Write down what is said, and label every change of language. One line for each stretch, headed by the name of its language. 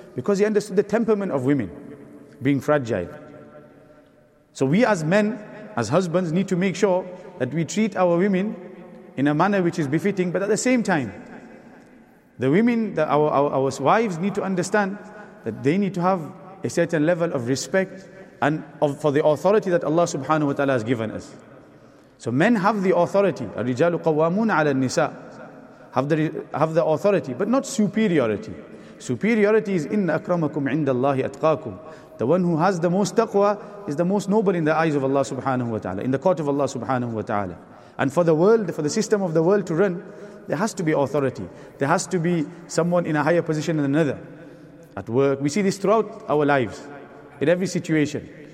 English: Because he understood the temperament of women being fragile. So we as men, as husbands, need to make sure that we treat our women in a manner which is befitting, but at the same time, the women, our wives need to understand that they need to have a certain level of respect and for the authority that Allah subhanahu wa ta'ala has given us. So men have the authority,
Arabic: الرِّجَالُ قَوَّامُونَ عَلَى النِّسَاءِ,
English: have the authority, but not superiority. Superiority is
Arabic: إِنَّ أَكْرَمَكُمْ عِنْدَ اللَّهِ أَتْقَاكُمْ.
English: The one who has the most taqwa is the most noble in the eyes of Allah subhanahu wa ta'ala, in the court of Allah subhanahu wa ta'ala. And for the world, for the system of the world to run, there has to be authority. There has to be someone in a higher position than another. At work, we see this throughout our lives, in every situation.